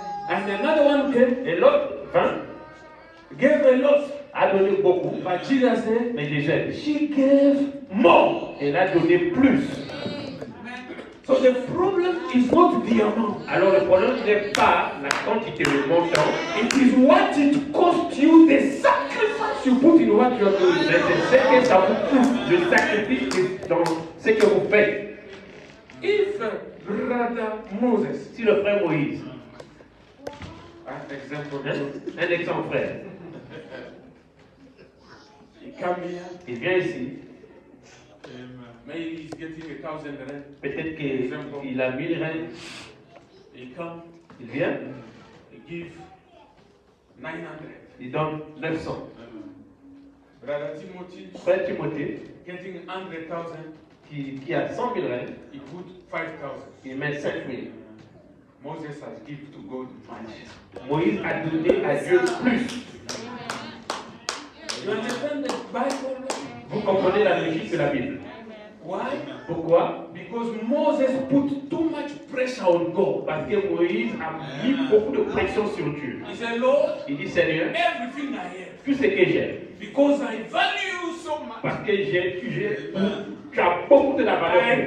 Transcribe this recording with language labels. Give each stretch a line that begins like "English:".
English: And another one came.
French: Et l'autre, hein?
English: Gave a lot.
French: A donné beaucoup.
English: But Jesus said,
French: mais Jésus,
English: she gave more.
French: Elle a donné plus.
English: So the problem is not the amount.
French: Alors le problème n'est pas la quantité de montant.
English: It is what it cost you, the sacrifice you put in what you are doing.
French: C'est ce que ça vous coûte, le sacrifice dans ce que vous faites.
English: If brother Moses,
French: si le frère Moïse, un exemple frère, il vient ici.
English: Maybe he's getting 1,000 rand.
French: Peut-être qu'il a 1,000 rand. Il vient.
English: He give 900.
French: Il donne 900.
English: Brother Timothy,
French: frère Timothy,
English: getting 100,000.
French: Qui a 100,000 rand.
English: He put 5,000.
French: Il met 5,000.
English: Moses has given to God.
French: Moïse a donné à Dieu plus.
English: You understand the Bible?
French: Vous comprenez la logique de la Bible.
English: Why?
French: Pourquoi?
English: Because Moses put too much pressure on God.
French: Parce que Moïse a mis beaucoup de pression sur Dieu.
English: He said, Lord,
French: il dit, Seigneur,
English: everything I have,
French: tout ce que j'ai.
English: Because I value you so much.
French: Parce que j'ai tu as beaucoup de la valeur.